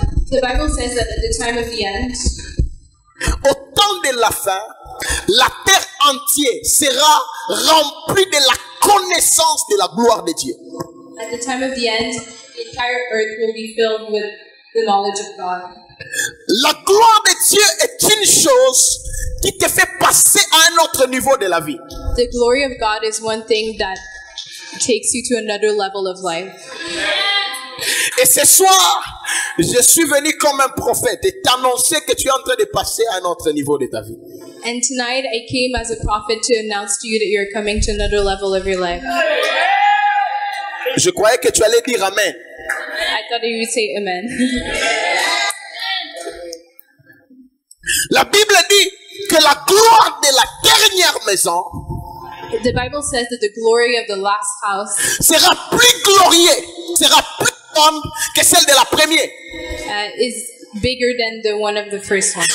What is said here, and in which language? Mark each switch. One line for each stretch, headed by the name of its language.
English: the Bible says that at the time of the end,
French: au temps de la fin, la terre entière sera remplie de la connaissance de la gloire de Dieu.
English: At the time of the end, the entire earth will be filled with the knowledge of God.
French: La gloire de Dieu est une chose qui te fait passer à un autre niveau de la vie.
English: The glory of God is one thing that takes you to another level of life.
French: Et ce soir, je suis venu comme un prophète et t'annoncer que tu es en train de passer à un autre niveau de ta vie.
English: And tonight I came as a prophet to announce to you that you're coming to another level of your life.
French: Je croyais que tu allais dire amen.
English: I thought you would say amen.
French: La Bible dit que la gloire de la dernière maison,
English: the Bible says that the glory of the last house,
French: sera plus glorieuse, sera plus grande que celle de la première.
English: Is bigger than the one of the first one.